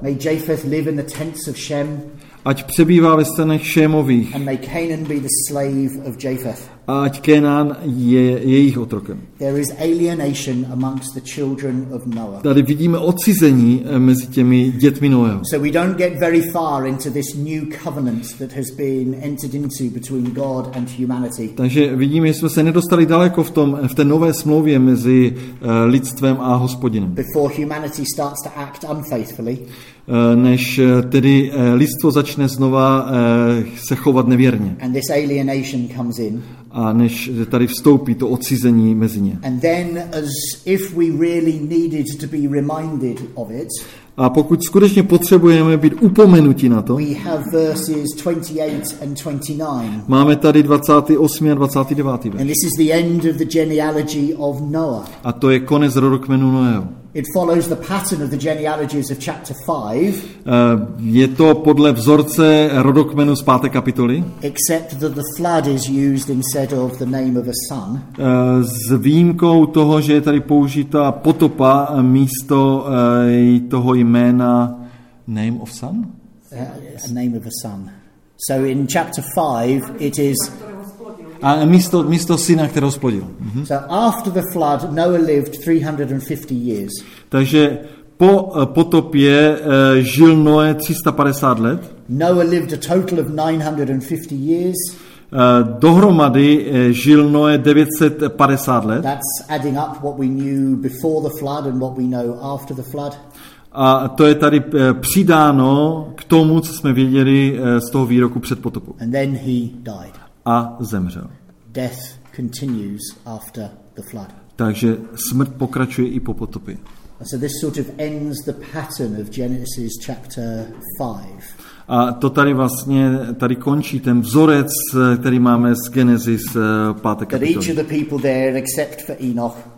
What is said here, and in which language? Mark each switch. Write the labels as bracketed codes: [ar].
[en] May Japheth live in the tents of Shem. [cs] Ať přebývá ve stanech Šémových. [en] And may Canaan be the slave of Japheth. [cs] Ať Kenan je jejich otrokem. [en] There is alienation amongst the children of Noah. [cs] Tady vidíme odcizení mezi těmi dětmi Noého. [en] So we don't get very far into this new covenant that has been entered into between God and humanity. [cs] Takže vidíme, že jsme se nedostali daleko v té nové smlouvě mezi lidstvem a Hospodinem. [en] Before humanity starts to act unfaithfully. [cs] Než tedy lidstvo začne znova se chovat nevěrně. [en] And this alienation comes in. [cs] A než tady vstoupí to odcizení mezi ně. [en] And then, as if we really needed to be reminded of it, [cs] a pokud skutečně potřebujeme být upomenuti na to, [en] we have verses 28 and 29. [cs] Máme tady 28 a 29. [en] And this is the end of the genealogy of Noah. [cs] A to je konec rodokmenu Noého. [en] It follows the pattern of the genealogies of chapter 5. [cs] Je to podle vzorce rodokmenu z 5. kapitoly. [en] Except that the flood is used instead of the name of a son. [cs] S výjimkou toho, že je tady použita potopa místo toho jména [en] name of son? A name of a son. So in chapter 5 it is [cs] a místo syna, kterého splodil. [en] Mhm. So after the flood, Noah lived 350 years. [cs] Takže po potopě žil Noé 350 let. [en] Noah lived a total of 950 years. [cs] Dohromady žil Noé 950 let. [en] That's adding up what we knew before the flood and what we know after the flood. [cs] A to je tady přidáno k tomu, co jsme věděli z toho výroku před potopou. [en] And then he died. [cs] A zemřel. [en] Death continues after the flood. [cs] Takže smrt pokračuje i po potopě. [en] So this sort of ends the pattern of Genesis chapter 5. [cs] A to tady vlastně tady končí ten vzorec, který máme z Genesis 5. kapitoly. [en] Each of the people there except for Enoch.